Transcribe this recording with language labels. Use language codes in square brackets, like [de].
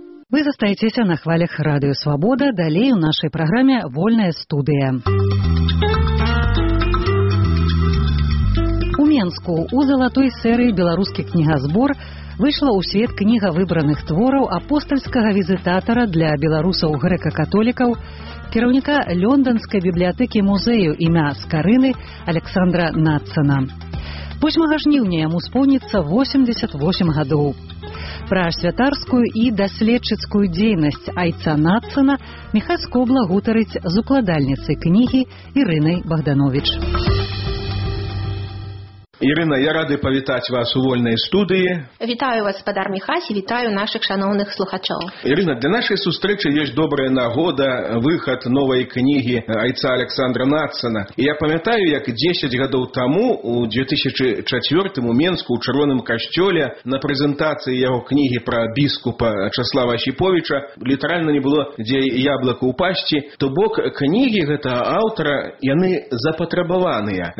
[uk] Ви зостаєтеся на хвилях Радіо Свобода. Далі у нашій програмі «Вольна студія». У Мінську у золотій серії «Білоруський книгозбір» вийшла у світ книга вибраних [be] твораў апостольскага візітатара для беларусаў грэка-католікаў, кіраўніка Лёндонскай бібліятэкі музею імя Скарыны Александра Нацана. 8 жніўня яму споўніцца 88 гадоў. Пра святарскую і даследчыцкую дзейнасць айца Нацана Міхась Кобла гутарыць з укладальніцай кнігі Ірынай Богданович. Ірина, я рады павітаць вас у вольнай студыі. Вітаю вас, спадар Міхась, і вітаю наших шановных слухачоў. Ірина, для нашай сустрэчы ёсць добрая нагода, выхад новай кнігі айца Александра Нацана. І я памятаю, як 10 гадоў таму, у 2004 у Менску, у Чырвоным касцёле, на прэзентацыі яго кнігі пра біскупа Часлава Асіповіча, літаральна не было дзе яблыка ўпасці, то бок кнігі гэтага аўтара, яны запатрабаваныя.